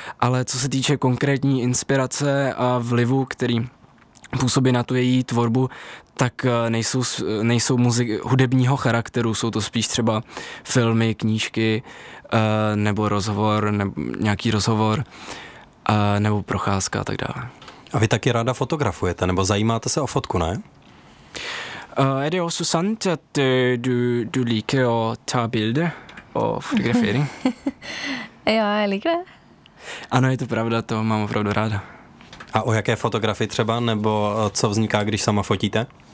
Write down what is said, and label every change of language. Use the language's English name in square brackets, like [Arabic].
[Czech] Ale co se týče konkrétní inspirace a vlivu, který působí na tu její tvorbu, tak nejsou muzik hudebního charakteru, jsou to spíš třeba filmy, knížky nebo rozhovor, nebo nějaký rozhovor nebo procházka a tak dále. A vy taky ráda fotografujete, nebo zajímáte se o fotku, ne? [Norwegian] Er det også sant at du liker å ta bilder og fotografering? Ja, jeg liker det. [Czech] Ano, je to pravda, to mám opravdu ráda. A o jaké fotografii třeba, nebo co vzniká, když sama fotíte?